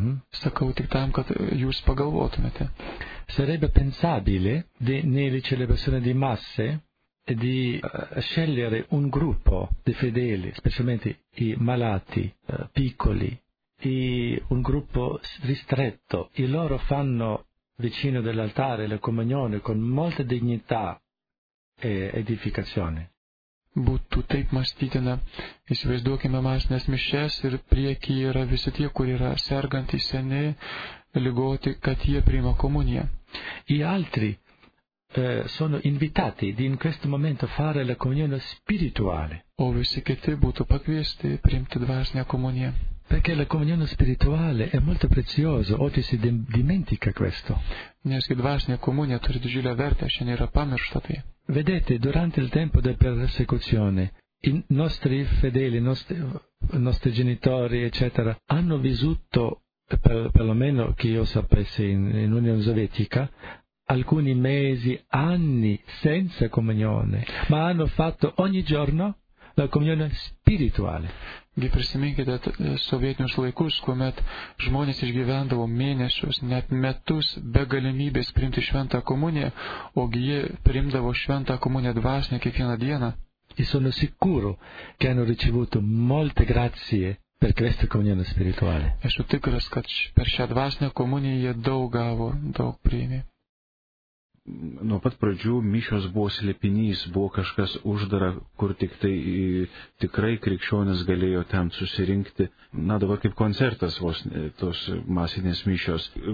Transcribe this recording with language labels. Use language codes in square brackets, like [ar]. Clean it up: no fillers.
[lt] Sakau tik tam, kad jūs pagalvotumėte. [it] Sarebbe pensabile, nelle celebrazioni di masse, di scegliere un gruppo di fedeli, specialmente i malati piccoli, e un gruppo ristretto, e loro fanno vicino dell'altare la comunione con molta dignità e edificazione. [lt] Būtų taip mąstytina, įsivaizduokime masinės mišes ir priekyje yra visi tie, kur yra sergantys, seni, ligoti, kad jie priima komuniją. [it] I altri sono invitati di in questo momento fare la comunione spirituale. [lt] O visi kiti būtų pakviesti priimti dvasinę komuniją. [it] Perché la comunione spirituale è molto prezioso, oggi si dimentica questo. [lt] Nes kai dvasinė komunija turi didžiulę vertę, šiandien yra pamiršta tai. [it] Vedete, durante il tempo della persecuzione, i nostri fedeli, i nostri genitori, eccetera, hanno vissuto, perlomeno che io sapessi in Unione Sovietica, alcuni mesi, anni senza comunione, ma hanno fatto ogni giorno la comunione spirituale. [lt] Gi prisiminkite sovietinius laikus, kuomet žmonės išgyvendavo mėnesius, net metus be galimybės priimti šventą komuniją, o jie priimdavo šventą komuniją dvasinę kiekvieną dieną. [it] E sono sicuro che hanno ricevuto molte grazie per questa comunione spirituale. [lt] Esu tikras, kad per šią dvasinę komuniją jie daug gavo, daug priėmė. Nuo pat pradžių mišios buvo slėpinys, buvo kažkas uždara, kur tik tai tikrai krikščionis galėjo ten susirinkti. Na, dabar kaip koncertas vos tos masinės mišios.